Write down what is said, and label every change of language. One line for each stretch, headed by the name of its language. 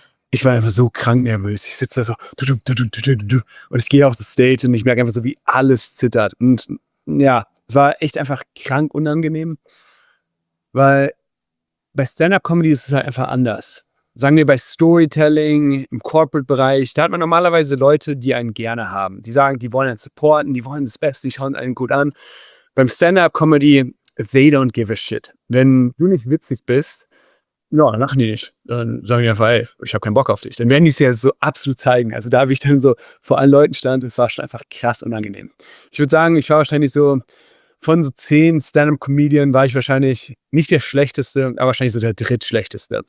German: Ich war einfach so krank nervös, ich sitze da so und ich gehe auf das Stage und ich merke einfach so, wie alles zittert und ja, es war echt einfach krank unangenehm, weil bei Stand-Up-Comedy ist es halt einfach anders. Sagen wir bei Storytelling, im Corporate-Bereich, da hat man normalerweise Leute, die einen gerne haben. Die sagen, die wollen einen supporten, die wollen das Beste, die schauen einen gut an. Beim Stand-Up-Comedy,
English: they don't give a shit.
German: Wenn du nicht witzig bist, ja, dann lachen die nicht. Dann sagen die einfach, ey, ich habe keinen Bock auf dich. Dann werden die es ja so absolut zeigen. Also da, wie ich dann so vor allen Leuten stand, es war schon einfach krass unangenehm. Ich würde sagen, ich war wahrscheinlich so, von so 10 Stand-Up-Comedian war ich wahrscheinlich nicht der Schlechteste, aber wahrscheinlich so der Drittschlechteste.